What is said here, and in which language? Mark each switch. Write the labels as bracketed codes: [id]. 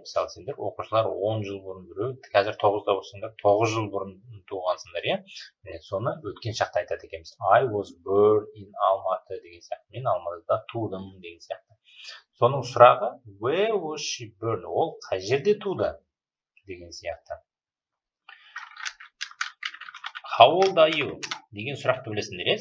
[kk] Мысалы сендер оқушылар 10 жыл бұрын, біреу қазір 9-да болсаңдар 9 жыл бұрын туғансыңдар, иә? Соны өткен шақта айтады екенбіз. [en] I was born in Алматы [kk] деген сияқты. Мен Алматыда тудым деген сияқты. Соның сұрағы [en] where was she born? [kk] Ол қай жерде туды деген сияқты. [en] How old are you [kk] деген сұрақты білесіңдер, иә?